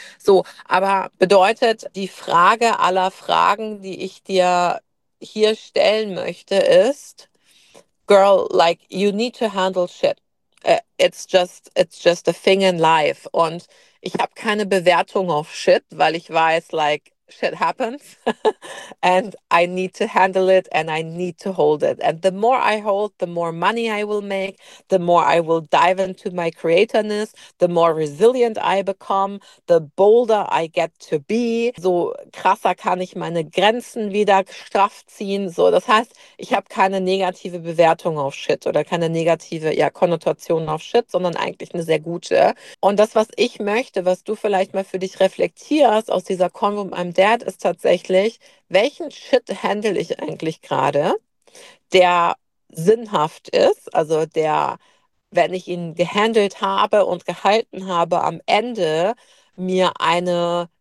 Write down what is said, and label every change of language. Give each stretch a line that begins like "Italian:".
German: So, aber bedeutet, die Frage aller Fragen, die ich dir hier stellen möchte, ist,
English: Girl, like, you need to handle shit. It's just a thing in life.
German: Und ich habe keine Bewertung auf shit, weil ich weiß,
English: like, shit happens and I need to handle it and I need to hold it. And the more I hold, the more money I will make, the more I will dive into my creativeness, the more resilient I become, the bolder I get to be.
German: So krasser kann ich meine Grenzen wieder straff ziehen. So, das heißt, ich habe keine negative Bewertung auf Shit oder keine negative, ja, Konnotation auf Shit, sondern eigentlich eine sehr gute. Und das, was ich möchte, was du vielleicht mal für dich reflektierst aus dieser Konversation mit meinem Dad ist tatsächlich, welchen Shit handle ich eigentlich gerade, der sinnhaft ist, also der, wenn ich ihn gehandelt habe und gehalten habe, am Ende mir eine